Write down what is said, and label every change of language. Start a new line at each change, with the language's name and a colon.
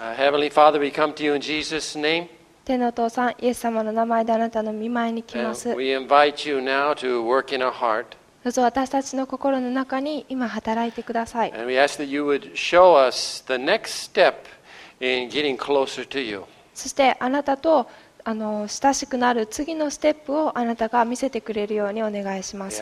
English: Heavenly Father, we come to you in Jesus' name.
Japanese: 天のお父さん、イエス様の名前であなたの御前に来ます。
English: We invite you now to work in our heart.
Japanese: どうぞ私たちの心の中に今働いてください。
English: And we ask that you would show us the next step in getting closer to you.
Japanese: そしてあなたと親しくなる次のステップをあなたが見せてくれるようにお願いします。